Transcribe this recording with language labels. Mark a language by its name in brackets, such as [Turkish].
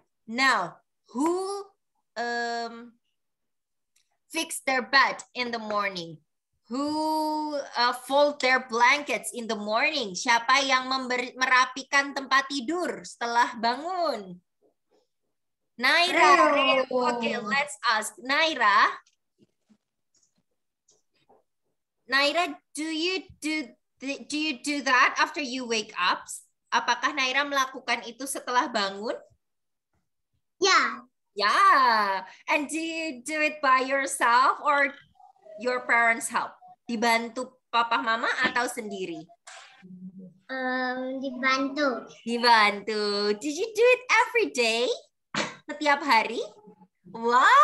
[English] Now, who fix their bed in the morning? Who fold their blankets in the morning? [Indonesian] Siapa yang merapikan tempat tidur setelah bangun? [English] Naira. Okay, let's ask Naira. Naira, do you do that after you wake up? [Indonesian] Apakah Naira melakukan itu setelah bangun? [English] Yeah. Yeah. And do you do it by yourself or your parents help? [Indonesian] Dibantu papa mama atau sendiri? Dibantu. Dibantu. [English] Did you do it every day? [Indonesian] Setiap hari? [English] Wow!